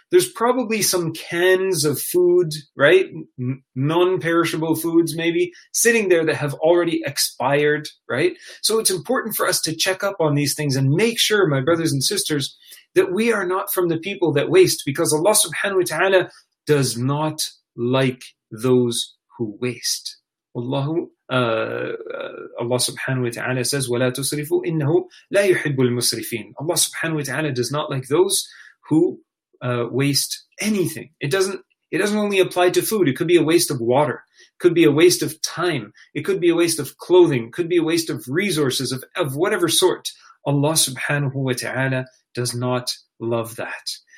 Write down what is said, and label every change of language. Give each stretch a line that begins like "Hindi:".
English: There's probably some cans of food, right? Non-perishable foods maybe sitting there that have already expired, right? So it's important for us to check up on these things and make sure, my brothers and sisters, that we are not from the people that waste, because Allah subhanahu wa ta'ala does not like those who waste. Allah subhanahu wa ta'ala says,
Arabic: وَلَا تُسْرِفُوا إِنَّهُ لَا يُحِبُّ الْمُسْرِفِينَ.
English: Allah subhanahu wa ta'ala does not like those who waste anything. It doesn't only apply to food. It could be a waste of water. It could be a waste of time. It could be a waste of clothing. It could be a waste of resources of whatever sort. Allah subhanahu wa ta'ala does not love that.